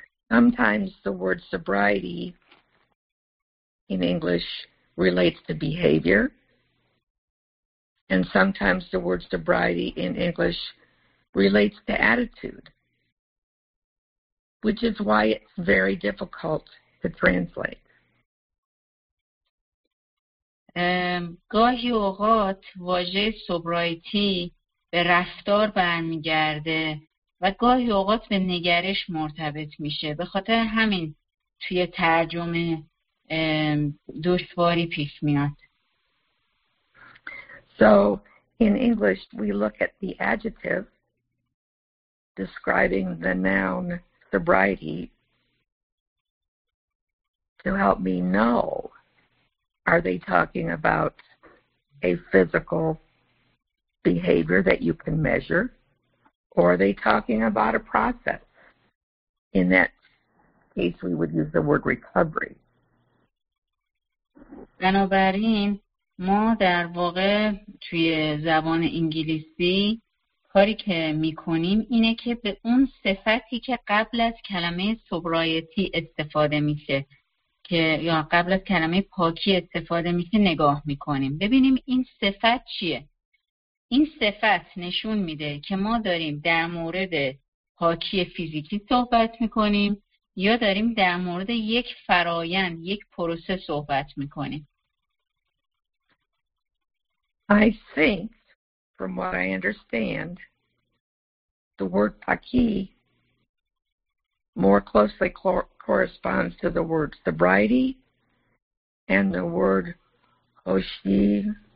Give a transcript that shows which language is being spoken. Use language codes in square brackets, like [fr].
[en] Sometimes the word sobriety in English relates to behavior. And sometimes the word sobriety in English relates to attitude, which is why it's very difficult to translate. [fa] گاهی اوقات واژه سوبرایتی به رفتار برمیگرده و گاهی اوقات به نگرش مرتبط میشه. به خاطر همین توی ترجمه دشواری پیش میاد. [en] So in English, we look at the adjective describing the noun sobriety to help me know, are they talking about a physical behavior that you can measure, or are they talking about a process? In that case, we would use the word recovery. [fa] بنابراین ما در واقع توی زبان انگلیسی کاری که می‌کنیم اینه که به اون صفتی که قبل از کلمه سوبرایتی استفاده میشه که یا قبل از کلمه پاکی استفاده میشه نگاه می‌کنیم ببینیم این صفت چیه. این صفت نشون میده که ما داریم در مورد پاکی فیزیکی صحبت می‌کنیم یا داریم در مورد یک فرایند، یک پروسه صحبت می‌کنیم. [en] I think, from what I understand, the word paki more closely corresponds to the word sobriety and the word hoshiyari.